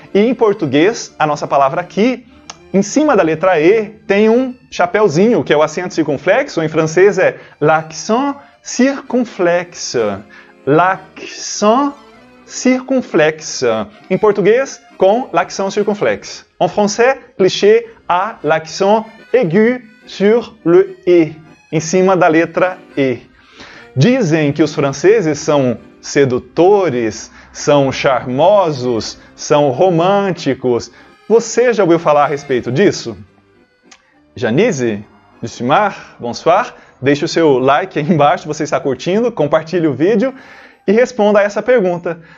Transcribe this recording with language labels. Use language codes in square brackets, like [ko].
[pt] E em português, a nossa palavra aqui, em cima da letra E, tem um chapéuzinho, que é o acento circunflexo. Em francês é [fr] l'accent circunflexe. L'accent circunflexe. [pt] Em português, com [fr] l'accent circunflexe. En français, cliché à l'accent aigu sur le E, [pt] em cima da letra E. Dizem que os franceses são sedutores, são charmosos, são românticos. Você já ouviu falar a respeito disso? Janice, Lucimar, bonsoir. Deixe o seu like aí embaixo, se você está curtindo, compartilhe o vídeo e responda a essa pergunta.